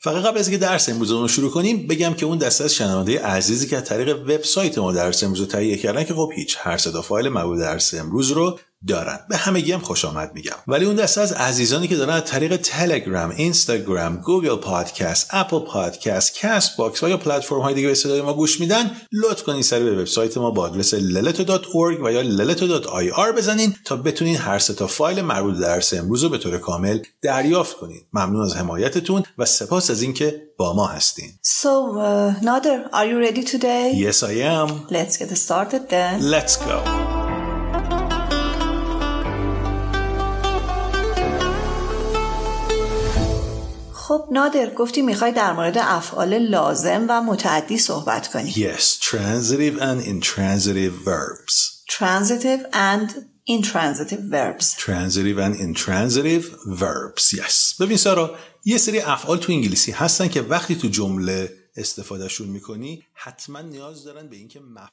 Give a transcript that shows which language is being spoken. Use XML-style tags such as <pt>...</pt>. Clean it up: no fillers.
<fa>فقط قبل از اینکه درس امروز رو شروع کنیم بگم که اون دسته از شنونده عزیزی که از طریق وبسایت ما درس امروز رو تهیه کردن که خب هیچ هر صدا فایل مربوط به درس امروز رو دارن، به همگی هم خوش آمد میگم، ولی اون دسته از عزیزانی که دارن از طریق تلگرام، اینستاگرام، گوگل پادکست، اپل پادکست، کست باکس و یا پلتفرم های دیگه به صدای ما گوش میدن، لطف کنین سری به وبسایت ما با آدرس leleto.org و یا leleto.ir بزنین تا بتونین هر سه تا فایل مربوط به درس امروز رو به طور کامل دریافت کنین. ممنون از حمایتتون و سپاس از اینکه با ما هستین.</fa> <en>So Nader, are you ready today? Yes, I am. Let's get started then. Let's go.</en> <fa>خب نادر، گفتی میخوای در مورد افعال لازم و متعدی صحبت کنی.</fa> <en>Yes, transitive and intransitive verbs. Transitive and intransitive verbs. Transitive and intransitive verbs, yes.</en> <fa>ببین سارا، یه سری افعال تو انگلیسی هستن که وقتی تو جمله استفادهشون میکنی حتما نیاز دارن به اینکه</fa>